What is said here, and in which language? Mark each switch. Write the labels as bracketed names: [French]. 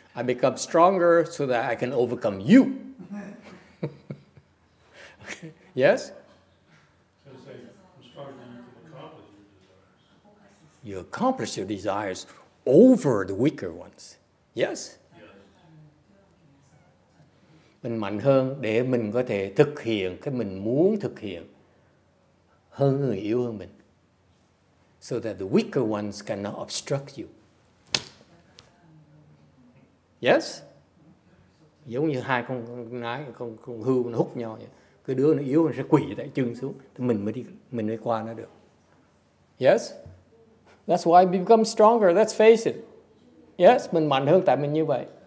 [English] I become stronger so that I can overcome you. Okay. Yes? You accomplish your desires over the weaker ones. Yes? [Vietnamese] Mình mạnh hơn để mình có thể thực hiện cái mình muốn thực hiện hơn người yếu hơn mình. [English] So that the weaker ones cannot obstruct you. Yes? [Vietnamese] Giống như hai con hươu nó húc nhau vậy. Cái đứa nó yếu nó sẽ quỳ tại chân xuống. Thì mình mới qua nó được. [English] Yes? That's why we become stronger. Let's face it. Yes? [Vietnamese] Mình mạnh hơn tại mình như vậy.